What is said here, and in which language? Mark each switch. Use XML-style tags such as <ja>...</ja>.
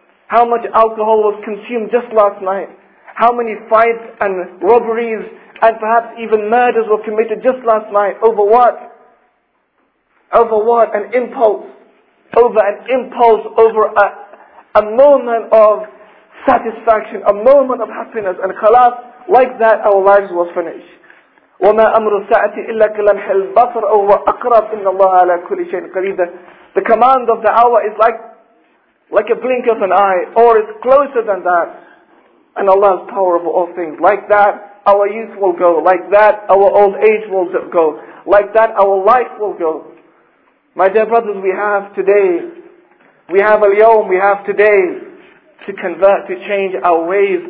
<en>How much alcohol was consumed just last night. How many fights and robberies and perhaps even murders were committed just last night? Over what? Over what? An impulse. Over an impulse. Over a moment of satisfaction. A moment of happiness. And khalas, like that our lives were finished.</en> <ar>وَمَا أَمْرُ سَعَةِ إِلَّا كَلَمْحِ الْبَصَرَ أَوْ وَأَقْرَبْ إِنَّ اللَّهَ عَلَى كُلِّ شَيْءٍ قَرِيدًا.</ar> <en>The command of the hour is like like a blink of an eye, or it's closer than that, and Allah's power over all things. Like that, our youth will go. Like that, our old age will go. Like that, our life will go. My dear brothers, we have today, we have al-yawm, we have today to convert, to change our ways.</en>